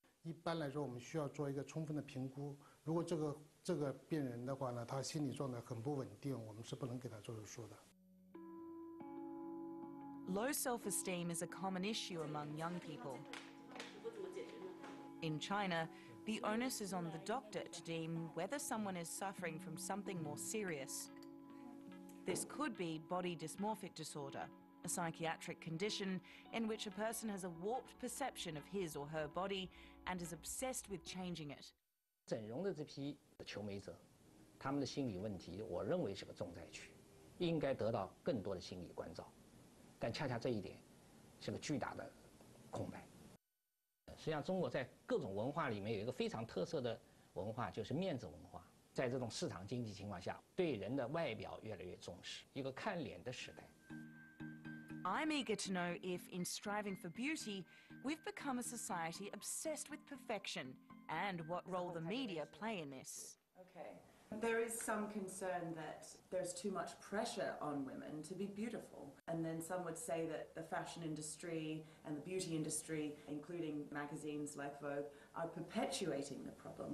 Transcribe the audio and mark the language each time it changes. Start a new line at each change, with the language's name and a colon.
Chinese: 一般来说我们需要做一个充分的评估，如果这个病人的话呢，他心理状态很不稳定，我们是不能给他做手术的。
English: Low self-esteem is a common issue among young people. In China, the onus is on the doctor to deem whether someone is suffering from something more serious. This could be body dysmorphic disorder. A psychiatric condition in which a person has a warped perception of his or her body and is obsessed with changing it.
Chinese: 整容的这批求美者，他们的心理问题，我认为是个重灾区，应该得到更多的心理关照。但恰恰这一点是个巨大的空白。实际上，中国在各种文化里面有一个非常特色的文化，就是面子文化。在这种市场经济情况下，对人的外表越来越重视，一个看脸的时代。
English: I'm eager to know if, in striving for beauty, we've become a society obsessed with perfection, and what role the media play in this. Okay. There is some concern that there's too much pressure on women to be beautiful. And then some would say that the fashion industry and the beauty industry, including magazines like Vogue, are perpetuating the problem.